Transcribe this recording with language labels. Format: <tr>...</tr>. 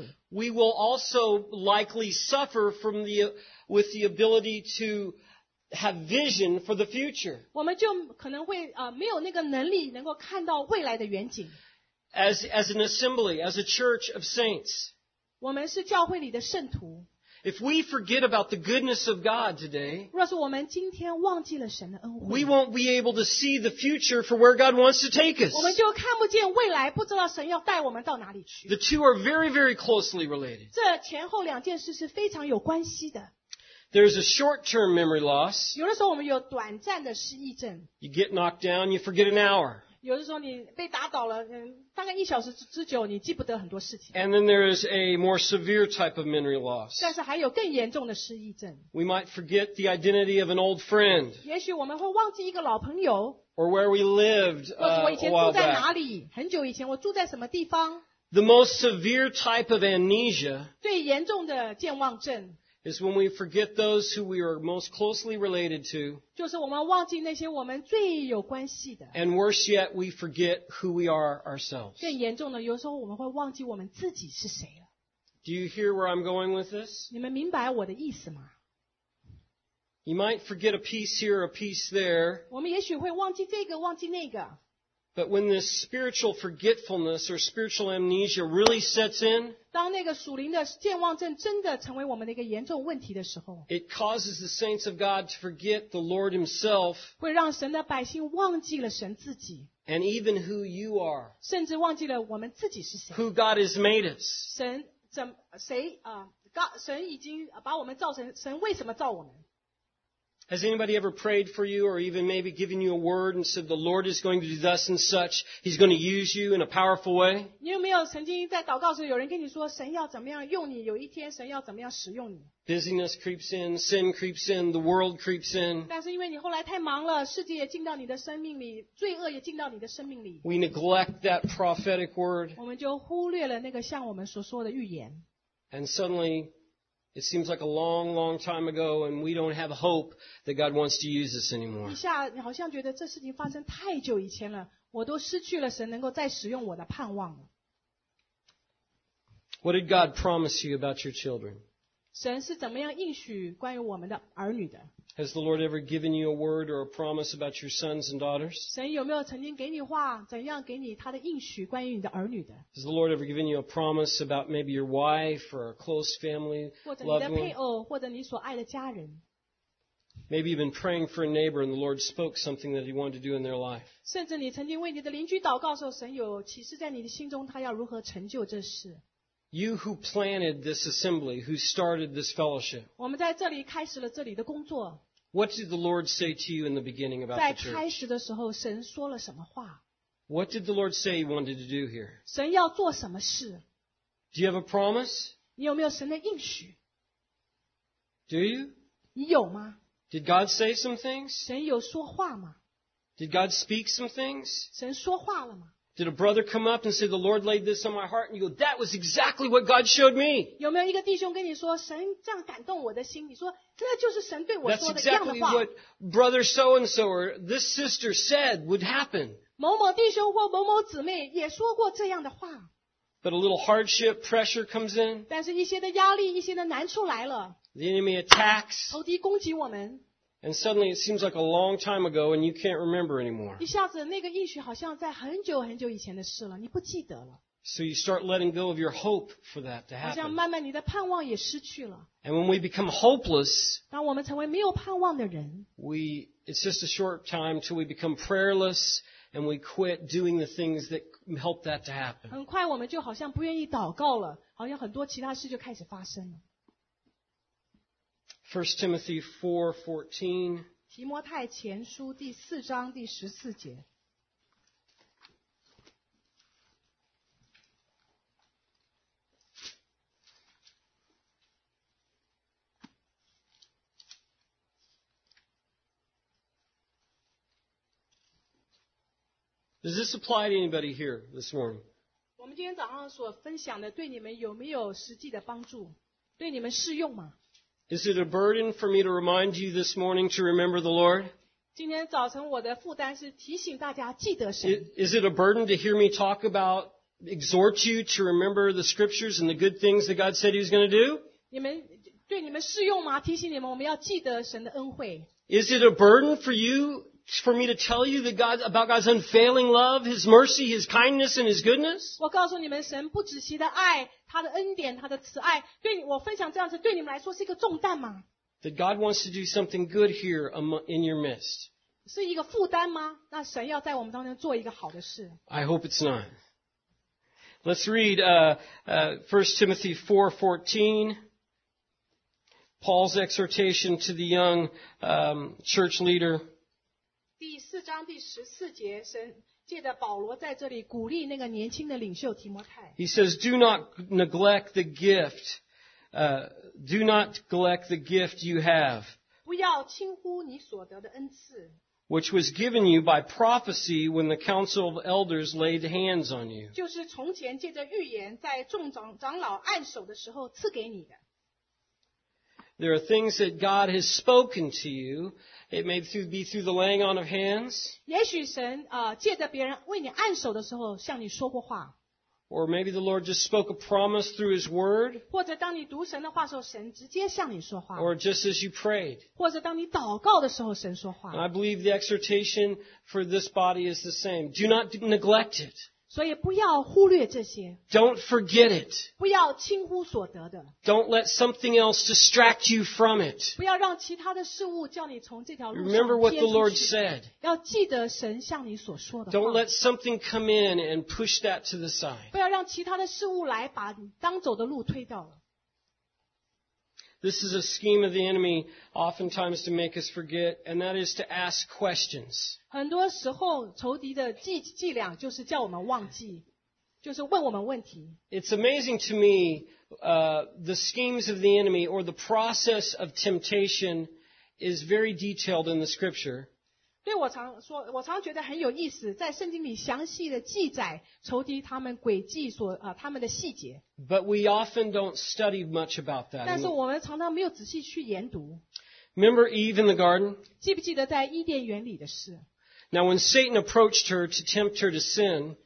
<en>We will also likely suffer from the, with the ability to have vision for the future.</en> <zh>我们就可能会没有那个能力能够看到未来的远景。</zh> <en>As an assembly, as a church of saints.</en> <zh>我们是教会里的圣徒。</zh> <en>If we forget about the goodness of God today,</en> <zh>若是我们今天忘记了神的恩惠,</zh> <en>we won't be able to see the future for where God wants to take us.</en> <zh>我们就看不见未来, 不知道神要带我们到哪里去。</zh> <en>The two are very, very closely related.</en> <zh>这前后两件事是非常有关系的。</zh> <en>There's a short-term memory loss.</en> <zh>有的时候我们有短暂的失忆症。</zh> <en>You get knocked down, you forget an hour.</en> <zh>有的时候你被打倒了，大概一小时之久，你记不得很多事情。</zh> <en>And then there is a more severe type of memory loss.</en> <zh>但是还有更严重的失忆症。</zh> <en>We might forget the identity of an old friend.</en> <zh>也许我们会忘记一个老朋友。</zh> <en>Or where we lived.</en> <zh>或者我以前住在哪里？很久以前我住在什么地方</zh> <en>？The most severe type of amnesia.</en> <zh>最严重的健忘症。</zh> <en>Is when we forget those who we are most closely related to.</en> <zh>就是我们忘记那些我们最有关系的。</zh> <en>And worse yet, we forget who we are ourselves.</en> <zh>更严重的，有时候我们会忘记我们自己是谁了。</zh> <en>Do you hear where I'm going with this?</en> <zh>你们明白我的意思吗？</zh> <en>You might forget a piece here, a piece there.</en> <zh>我们也许会忘记这个，忘记那个。</zh> <en>But when this spiritual forgetfulness or spiritual amnesia really sets in,</en> <zh>当那个属灵的健忘症真的成为我们的一个严重问题的时候，</zh> <en>it causes the saints of God to forget the Lord Himself,</en> <zh>会让神的百姓忘记了神自己，</zh> <en>and even who you are,</en> <zh>甚至忘记了我们自己是谁，</zh> <en>who God has made us,</en> <zh>神怎谁啊？ God, 神已经把我们造成，神为什么造我们？</zh> <en>Has anybody ever prayed for you or even maybe given you a word and said the Lord is going to do thus and such, He's going to use you in a powerful way?</en> <zh>你有没有曾经在祷告时有人跟你说神要怎么样用你，有一天神要怎么样使用你？</zh> <en>Busyness creeps in, sin creeps in, the world creeps in.</en> <zh>但是因为你后来太忙了，世界也进到你的生命里，罪恶也进到你的生命里。</zh> <en>We neglect that prophetic word.</en> <zh>我们就忽略了那个向我们所说的预言。</zh> <en>And suddenly,It seems like a long, long time ago, and we don't have hope that God wants to use us anymore.</en> <zh>一下，你好像觉得这事情发生太久以前了，我都失去了神能够再使用我的盼望了。</zh> <en>What did God promise you about your children?</en> <zh>神是怎么样应许关于我们的儿女的？</zh> <en>Has the Lord ever given you a word or a promise about your sons and daughters?</en> <zh>神有没有曾经给你话，怎样给你他的应许关于你的儿女的？</zh> <en>Has the Lord ever given you a promise about maybe your wife or a close family, loved one?</en> <zh>或者你的配偶，或者你所爱的家人？</zh> <en>Maybe you've been praying for a neighbor and the Lord spoke something that He wanted to do in their life.</en> <zh>甚至你曾经为你的邻居祷告的时候，神有启示在你的心中，他要如何成就这事？</zh> <en>You who planted this assembly, who started this fellowship.</en> <zh>我们在这里开始了这里的工作。</zh> <en>What did the Lord say to you in the beginning about the church?</en> <zh>在开始的时候，神说了什么话？</zh> <en>What did the Lord say He wanted to do here?</en> <zh>神要做什么事？</zh> <en>Do you have a promise?</en> <zh>你有没有神的应许？</zh> <en>Do you?</en> <zh>你有吗？</zh> <en>Did God say some things?</en> <zh>神有说话吗？</zh> <en>Did God speak some things?</en> <zh>神说话了吗？</zh> <en>Did a brother come up and say, the Lord laid this on my heart? And you go, that was exactly what God showed me.</en> <zh>有没有一个弟兄跟你说，神这样感动我的心？你说，那就是神对我说的一样的话。</zh> <en>That's exactly what brother so-and-so or this sister said would happen.</en> <zh>某某弟兄或某某姊妹也说过这样的话。</zh> <en>But a little hardship, pressure comes in.</en> <zh>但是一些的压力，一些的难处来了。</zh> <en>The enemy attacks.</en> <zh>仇敌攻击我们。</zh> <en>And suddenly it seems like a long time ago and you can't remember anymore.</en> <zh>一下子那个应许好像在很久很久以前的事了，你不记得了。</zh> <en>So you start letting go of your hope for that to happen.</en> <zh>好像慢慢你的盼望也失去了。</zh> <en>And when we become hopeless,</en> <zh>当我们成为没有盼望的人，</zh> <en>it's just a short time till we become prayerless and we quit doing the things that help that to happen.</en> <zh>很快我们就好像不愿意祷告了，好像很多其他事就开始发生了。</zh> <en>1 Timothy 4:14</en> <zh>提摩太前书第四章第十四节。</zh> <en>Does this apply to anybody here this morning?</en> <zh>我们今天早上所分享的对你们有没有实际的帮助？对你们适用吗？</zh> <en>Is it a burden for me to remind you this morning to remember the Lord?</en> <zh>今天早晨我的负担是提醒大家记得神。</zh> <en>Is it a burden to hear me talk about, exhort you to remember the scriptures and the good things that God said he was going to do?</en> <zh>你们对你们适用吗？提醒你们我们要记得神的恩惠。</zh> <en>Is it a burden for you, for me to tell you that God, about God's unfailing love, his mercy, his kindness, and his goodness?</en> <zh>我告诉你们神不止息的爱他的恩典他的慈爱对我分享这样子对你们来说是一个重担吗？</zh> <en>That God wants to do something good here in your midst.</en> <zh>是一个负担吗？那神要在我们当中做一个好的事。</zh> <en>I hope it's not. Let's read 1 Timothy 4:14. Paul's exhortation to the young church leader.</en> <zh>第四章第十四节，神借着保罗在这里鼓励那个年轻的领袖提摩太。</zh> <en>He says, "Do not neglect the gift." Do not neglect the gift you have,</en> <zh>不要轻忽你所得的恩赐,</zh> <en>which was given you by prophecy when the council of elders laid hands on you.</en> <zh>就是从前借着预言在众长老按手的时候赐给你的。</zh> <en>There are things that God has spoken to you. It may be through the laying on of hands.</en> <zh>也许神借着别人为你按手的时候向你说过话。</zh> <en>Or maybe the Lord just spoke a promise through His Word.</en> <zh>或者当你读神的话时候，神直接向你说话。</zh> <en>Or just as you prayed.</en> <zh>或者当你祷告的时候，神说话。</zh> <en>And I believe the exhortation for this body is the same. Do not neglect it.</en> <zh>所以不要忽略这些。</zh> <en>Don't forget it.</en> <zh>不要轻忽所得的。</zh> <en>Don't let something else distract you from it.</en> <zh>不要让其他的事物叫你从这条路上。</zh> <en>Remember what the Lord said.</en> <zh>要记得神向你所说的话。</zh> <en>Don't let something come in and push that to the side.</en> <zh>不要让其他的事物来把你当走的路推掉了。</zh> <en>This is a scheme of the enemy oftentimes to make us forget, and that is to ask questions.</en> <zh>很多时候仇敌的伎俩就是叫我们忘记，就是问我们问题。</zh> <en>It's amazing to me, the schemes of the enemy or the process of temptation is very detailed in the scripture.</en> <zh>对我常说，我常觉得很有意思，在圣经里详细的记载仇敌他们诡计所他们的细节。</zh> <en>But we often don't study much about that.</en> <zh>但是我们常常没有仔细去研读。</zh> <en>Remember Eve in the garden?</en> <zh>记不记得在伊甸园里的事？</zh> <en>Now when Satan approached her to tempt her to sin,</en>